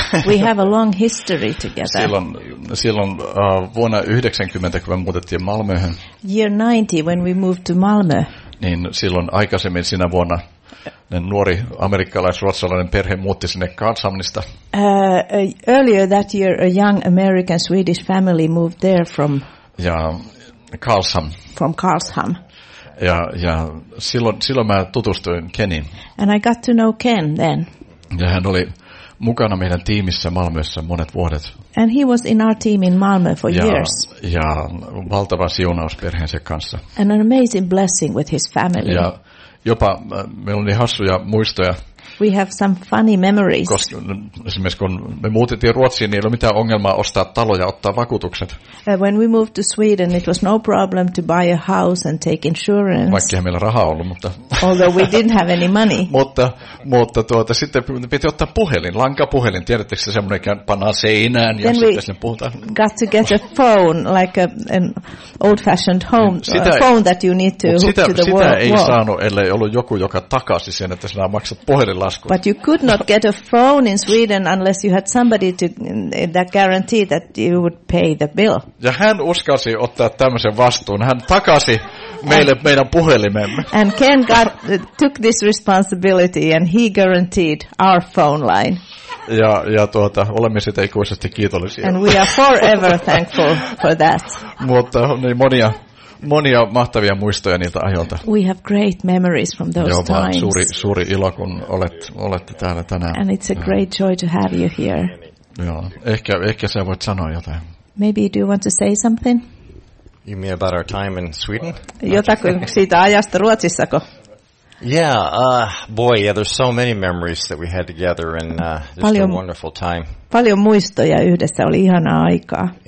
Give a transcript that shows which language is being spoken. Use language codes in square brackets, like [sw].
[en] We have a long history together. [fi] Silloin vuonna 90, kun me muutettiin Malmöhön. [en] Year 90, when we moved to Malmö. [fi] Niin silloin aikaisemmin sinä vuonna nuori amerikkalais-ruotsalainen perhe muutti sinne Karlshamnista. [en] Earlier that year, a young American Swedish family moved there from. [fi] Ja Karlsham. [en] From Karlsham. [fi] Ja silloin mä tutustuin Keniin. [en] And I got to know Ken then. [fi] Ja hän oli mukana meidän tiimissä Malmössä monet vuodet. [en] And he was in our team in Malmö for years. [fi] Ja valtava siunaus perheensä kanssa. [en] And an amazing blessing with his family. [fi] Ja jopa meillä oli hassuja muistoja. [en] We have some funny memories. [fi] Koska esimerkiksi kun me muutettiin Ruotsiin, niin ei ole mitään ongelmaa ostaa taloja, ottaa vakuutukset. [en] When we moved to Sweden, it was no problem to buy a house and take insurance. [fi] Vaikkihan meillä rahaa ollut, mutta. [en] Although we didn't have any money. [fi] mutta sitten piti ottaa puhelin, lankapuhelin. Tiedättekö se semmoinen, joka pannaan seinään ja sitten sinne puhutaan. [en] Then we got to get a phone, like an old-fashioned home [fi] sitä, [en] phone that you need to hook to the [fi] sitä [en] world. [fi] Sitä ei saanut, ellei ollut joku, joka takasi sen, että sinä maksat puhelin. [en] But you could not get a phone in Sweden unless you had somebody to that guarantee that you would pay the bill. [fi] Ja hän uskalsi ottaa tämmöisen vastuun. Hän takasi meille meidän puhelimemme. [en] And Ken took this responsibility and he guaranteed our phone line. [fi] Ja olemme sitä ikuisesti kiitollisia. [en] And we are forever thankful for that. [fi] Mutta niin monia mahtavia muistoja niiltä ajoilta. [en] We have great memories from those [fi] Joo, [en] times. [fi] Suuri ilo, kun olette täällä tänään. [en] And it's a great joy to have you here. [fi] Joo, ehkä sä voit sanoa jotain. [en] Maybe do you want to say something? You mean about our time in Sweden? [fi] Jotakin siitä ajasta Ruotsissako? [en] Yeah, there's so many memories that we had together and just a wonderful time. [fi] Paljon muistoja yhdessä, oli ihanaa aikaa.